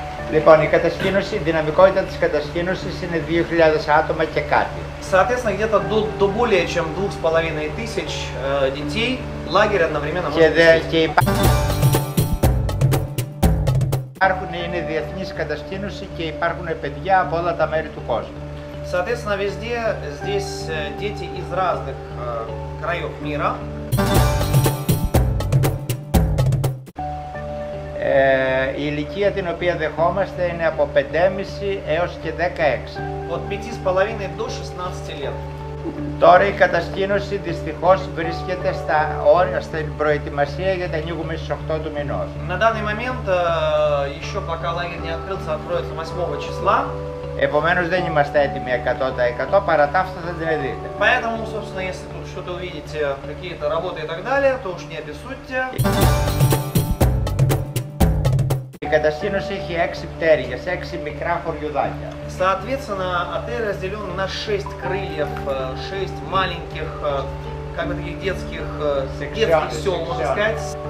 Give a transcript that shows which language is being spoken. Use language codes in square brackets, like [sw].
[el] Λοιπόν, η κατασκήνωση, η δυναμικότητα της κατασκήνωσης είναι 2.000 άτομα και κάτι. [ru] Соответственно, где-то до более чем 2.500 детей лагерь одновременно может вместить. [el] Υπάρχουν, είναι διεθνής κατασκήνωση και υπάρχουν παιδιά από όλα τα μέρη του κόσμου. [ru] Соответственно, везде здесь дети из разных краев мира. [el] Η ηλικία την οποία δεχόμαστε είναι από 5,5 έως και 16. [ru] От 5,5 до 16 лет. [el] Τώρα η κατασκήνωση δυστυχώς βρίσκεται στα όρια, στην προετοιμασία γιατί ανοίγουμε στις 8 του μηνός. [ru] На данный момент, еще пока лагерь не открылся, откроется 8 числа. [el] Επομένως δεν είμαστε έτοιμοι 100%, παρά τα αυτά θα την δείτε. [ru] Поэтому, собственно, если тут что-то увидите, какие-то работы и так далее, то уж не обессудьте. [el] Η κατασκήνωση έχει 6 πτέρυγες, 6 μικρά χωριουδάκια. [ru] Соответственно, отель разделен на 6 крыльев, 6 маленьких, как бы таких детских, сел, можно сказать.